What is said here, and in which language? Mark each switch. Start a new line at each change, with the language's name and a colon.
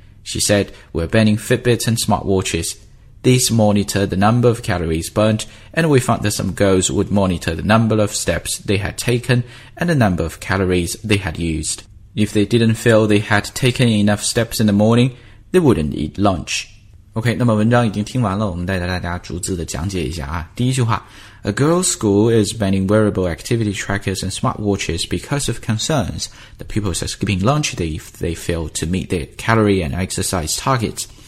English: She said, "We're banning Fitbits and smartwatches. These monitor the number of calories burnt, and we found that some girls would monitor the number of steps they had taken and the number of calories they had used. If they didn't feel they had taken enough steps in the morning, they wouldn't eat lunch."
Chinese: OK, 那么文章已经听完了，我们带着大家逐字的讲解一下啊。第一句话，
English: A girl's school is banning wearable activity trackers and smartwatches because of concerns that pupils are skipping lunch if they fail to meet their calorie and exercise targets.